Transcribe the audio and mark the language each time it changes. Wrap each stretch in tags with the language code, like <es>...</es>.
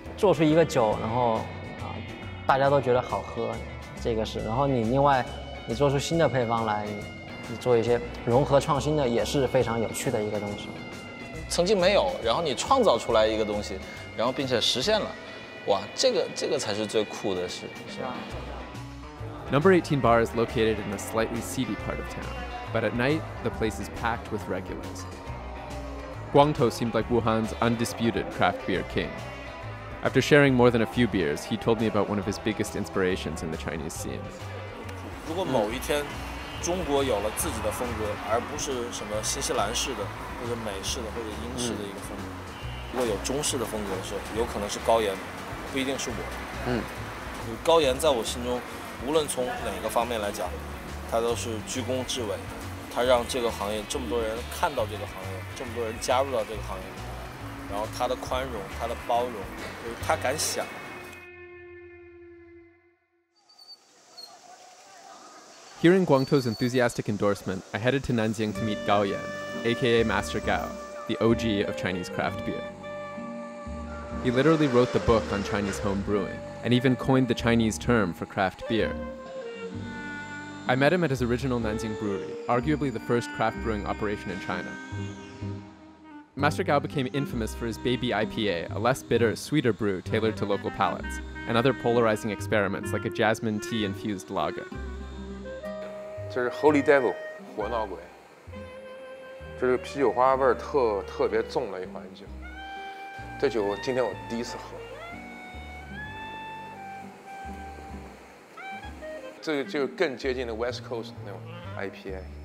<zh>做出一个酒，然后啊，大家都觉得好喝，这个是。然后你另外，你做出新的配方来，你做一些融合创新的，也是非常有趣的一个东西。曾经没有，然后你创造出来一个东西，然后并且实现了，哇，这个才是最酷的事，是吧？</zh> <en>Number 18 Bar is located in a slightly seedy part of town. But at night, the place is packed with regulars. Guangto seemed like Wuhan's undisputed craft beer king. After sharing more than a few beers, he told me about one of his biggest inspirations in the Chinese scene. 如果某一天中国有了自己的风格，而不是什么新西兰式的，或者美式的，或者英式的一个风格，如果有中式的风格的时候，有可能是高岩，不一定是我。高岩在我心中，无论从哪个方面来讲。他都是居功至伟，他让这个行业这么多人看到这个行业，这么多人加入到这个行业，然后他的宽容，他的包容，就是他敢想。 Hearing Guangto's enthusiastic endorsement, I headed to Nanjing to meet Gao Yan, aka Master Gao, the OG of Chinese craft beer. He literally wrote the book on Chinese home brewing, and even coined the Chinese term for craft beer. I met him at his original Nanjing Brewery, arguably the first craft brewing operation in China. Master Gao became infamous for his Baby IPA, a less bitter, sweeter brew tailored to local palates, and other polarizing experiments like a jasmine tea-infused lager. This is Holy Devil, 火闹鬼。</en> <zh>这是啤酒花味儿特别重的一款酒。这酒今天我第一次喝。这个就更接近的 West Coast 那种 IPA。</zh>